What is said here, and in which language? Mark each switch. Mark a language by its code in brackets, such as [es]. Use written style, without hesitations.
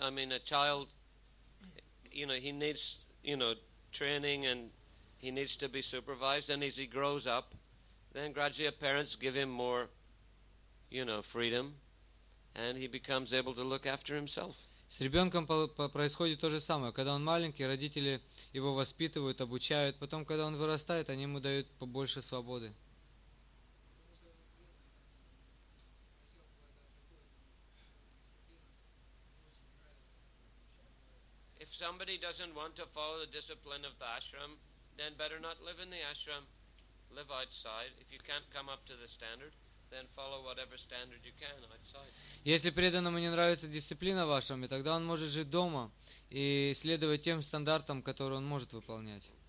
[en] I mean, a child, you know, he needs, you know, training, and he needs to be supervised, and as he grows up, then gradually parents give him more, you know, freedom, and he becomes able to look after himself. [ru] С ребенком происходит то же самое. Когда он маленький, родители его воспитывают, обучают. Потом, когда он вырастает, они ему дают побольше свободы. [en] If somebody doesn't want to follow the discipline of the ashram, then better not live in the ashram, live outside. If you can't come up to the standard, then follow whatever standard you can outside. [ru] Если преданному не нравится дисциплина вашим, тогда он может жить дома и следовать тем стандартам, которые он может выполнять.